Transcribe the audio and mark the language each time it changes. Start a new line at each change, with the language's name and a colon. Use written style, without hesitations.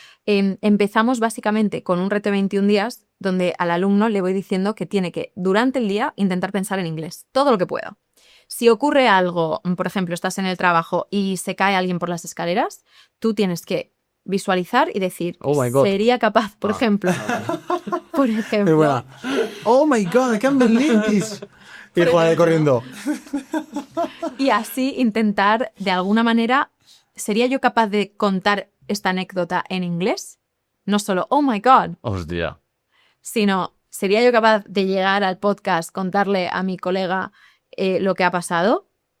Spanish: Empezamos básicamente con un reto de 21 días donde al alumno le voy diciendo que tiene que, durante el día, intentar pensar en inglés. Todo lo que pueda. Si ocurre algo, por ejemplo, estás en el trabajo y se cae alguien por las escaleras, tú tienes que visualizar y decir,
English: oh my God,
Spanish: sería capaz, por ejemplo. Por ejemplo. Qué buena.
English: Oh my God, I can't believe this.
Spanish: Y jugaré corriendo. Y así intentar, de alguna manera, ¿sería yo capaz de contar esta anécdota en inglés? No solo,
English: oh my God.
Spanish: Hostia. Sino, ¿sería yo capaz de llegar al podcast, contarle a mi colega lo que ha pasado?